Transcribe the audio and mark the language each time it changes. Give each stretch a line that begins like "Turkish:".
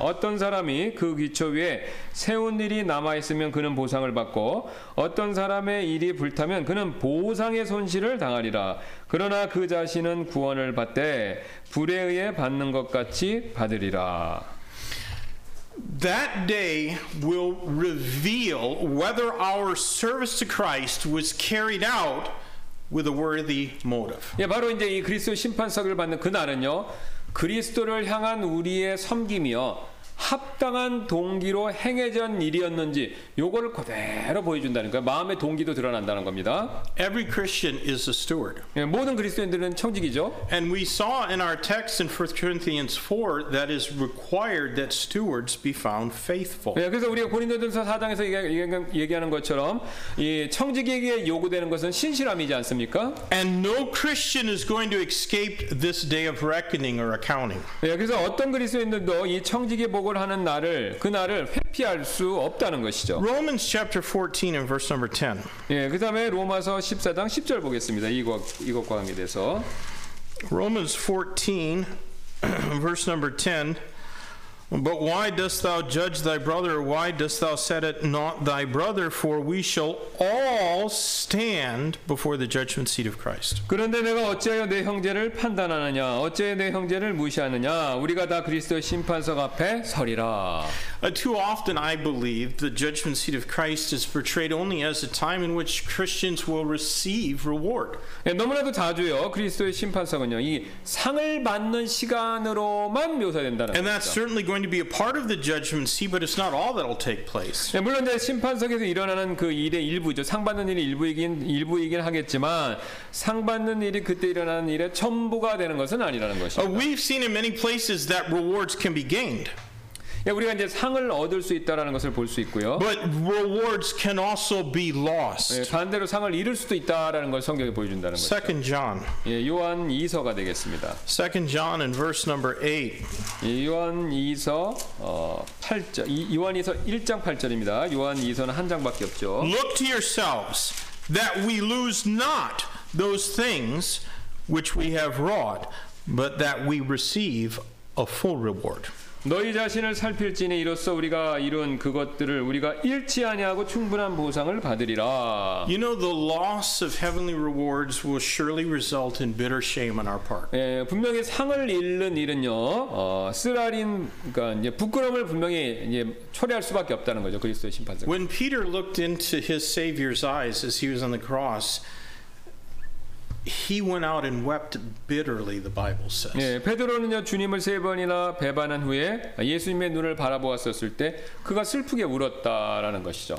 Korean: 어떤 사람이 그 기초 위에 세운 일이 남아있으면 그는 보상을 받고 어떤 사람의 일이 불타면 그는 보상의 손실을 당하리라. 그러나 그 자신은 구원을 받되 불에 의해 받는 것 같이 받으리라.
English: That day will reveal whether our service to Christ was carried out with a worthy motive.
Korean: 예, 바로 이제 이 그리스도 심판석을 받는 그날은요, 그리스도를 향한 우리의 섬김이요 합당한 동기로 행해진 일이었는지 요거를 그대로 보여준다는 거예요. 마음의 동기도 드러난다는 겁니다.
English: Every Christian is a steward.
Korean: 예, 모든 그리스도인들은 청지기죠.
English: And we saw in our text in 1 Corinthians 4 that is required that stewards be found faithful.
Korean: 예, 그래서 우리가 고린도전서 4장에서 얘기하는 것처럼 이 청지기에게 요구되는 것은 신실함이지 않습니까?
English: And no Christian is going to escape this day of reckoning or accounting.
Korean: 예, 그래서 어떤 그리스도인들도 이 청지기 복을 하는 날을 그 날을 회피할 수 없다는 것이죠.
English: Romans chapter 14 and verse number 10.
Korean: 예, 그다음에 로마서 14장 10절 보겠습니다. 이것과 관계돼서.
English: Romans 14 verse number 10. But why dost thou judge thy brother? Why dost thou set it not thy brother? For we shall all stand before the judgment seat of Christ.
Korean: 그런데 내가 어찌하여 내 형제를 판단하느냐? 어찌하여 내 형제를 무시하느냐? 우리가 다 그리스도의 심판석 앞에 서리라.
English: Too often I believe the judgment seat of Christ is portrayed only as a time in which Christians will receive reward.
Korean: 예, 너무나도 자주요. 그리스도의 심판석은요, 이 상을 받는 시간으로만 묘사된다는 겁니다.
English: And that's certainly going to be a part of the judgment seat, but it's not all that will take place.
Korean: 예, 물론 이제 심판석에서 일어나는 그 일의 일부죠. 상 받는 일이 일부이긴 하겠지만 상 받는 일이 그때 일어나는 일의 전부가 되는 것은 아니라는 것입니다.
English: We've seen in many places that rewards can be gained.
Korean: 예, 우리가 이제 상을 얻을 수 있다라는 것을 볼 수 있고요.
English: But rewards can also be lost.
Korean: 예, 반대로 상을 잃을 수도 있다라는 걸 성경이 보여준다는 거죠.
English: Second John.
Korean: 예, 요한 2서가 되겠습니다. Second John in verse number 8. 예, 요한 2서 8절. 요한 2서 1장 8절입니다. 요한 2서는 한 장밖에 없죠.
English: Look to yourselves that we lose not those things which we have wrought, but that we receive a full reward.
Korean: 너희 자신을 살필지니 이로써 우리가 이룬 그것들을 우리가 잃지 아니하고 충분한 보상을 받으리라.
English: You know the loss of heavenly rewards will surely result in bitter shame on our part.
Korean: 예, 분명히 상을 잃는 일은요, 쓰라린 그러니까 이제 부끄러움을 분명히 이제 초래할 수밖에 없다는 거죠 그리스도의 심판석.
English: When Peter looked into his Savior's eyes as he was on the cross, He went out and wept bitterly, the Bible says.
Korean: 예, 베드로는요 주님을 세 번이나 배반한 후에 예수님의 눈을 바라보았었을 때 그가 슬프게 울었다라는 것이죠.